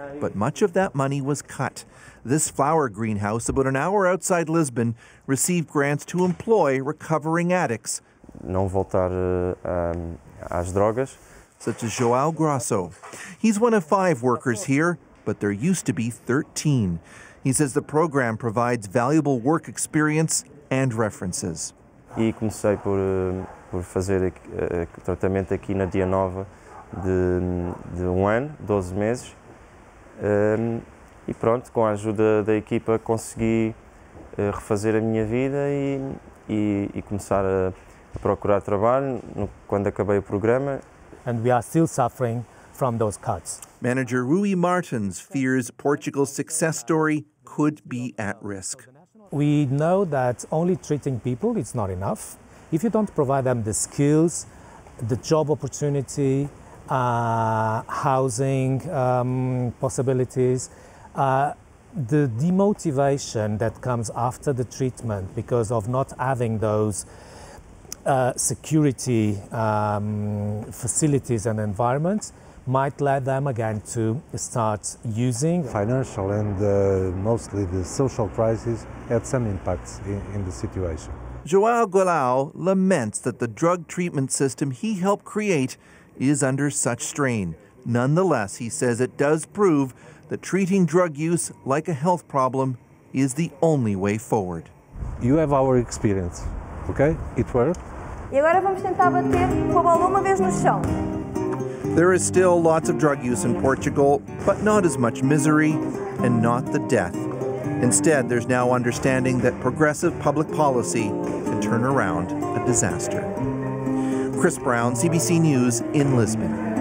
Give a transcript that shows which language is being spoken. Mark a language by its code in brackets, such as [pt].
[en] But much of that money was cut. This flower greenhouse, about an hour outside Lisbon, received grants to employ recovering addicts. [pt] Não voltar às drogas. [en] Such as João Grosso. He's one of five workers here, but there used to be 13. He says the program provides valuable work experience and references. [pt] E comecei por fazer tratamento aqui na Dia Nova de um ano, 12 meses. E pronto, com a ajuda da equipa consegui refazer a minha vida e começar a procurar trabalho quando acabei o programa. [en] And we are still suffering from those cuts. Manager Rui Martins fears Portugal's success story could be at risk. We know that only treating people is not enough. If you don't provide them the skills, the job opportunity, housing possibilities. The demotivation that comes after the treatment because of not having those security facilities and environments might lead them again to start using. Financial and mostly the social crisis had some impacts in the situation. João Goulao laments that the drug treatment system he helped create is under such strain. Nonetheless, he says it does prove that treating drug use like a health problem is the only way forward. You have our experience, okay? It worked. [pt] E agora vamos tentar bater com a bola uma vez no chão. [en] There is still lots of drug use in Portugal, but not as much misery and not the death. Instead, there's now understanding that progressive public policy can turn around a disaster. Chris Brown, CBC News in Lisbon.